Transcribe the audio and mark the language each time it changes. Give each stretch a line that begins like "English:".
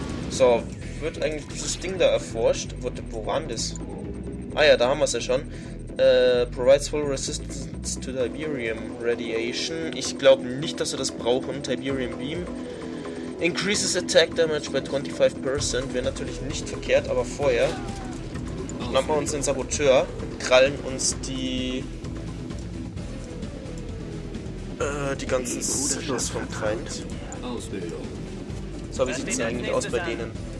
German: So, wird eigentlich dieses Ding da erforscht? Woran das? Ah ja, da haben wir es ja schon.
English: Provides full resistance to Tiberium Radiation.
German: Ich glaube nicht, dass wir das brauchen. Tiberium Beam.
English: Increases attack damage by 25%.
German: Wäre natürlich nicht verkehrt, aber vorher schnappen wir uns den Saboteur und krallen uns die... die ganzen Signals vom Feind. So, wie sieht es denn eigentlich aus bei denen?